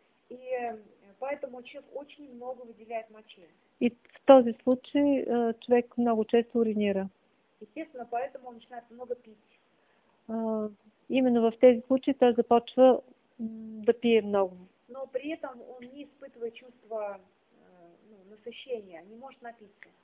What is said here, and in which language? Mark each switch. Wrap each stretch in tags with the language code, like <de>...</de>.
<ru>И поэтому человек очень много выделяет мочи.</ru> <bg>И в този случай човек много често уринира.</bg> <ru>Естественно, поэтому он начинает много пить.</ru> <bg>Именно в тези случаи той започва да пие много.</bg> <ru>Но при этом он не испытывает чувства насыщения, не может напиться.</ru>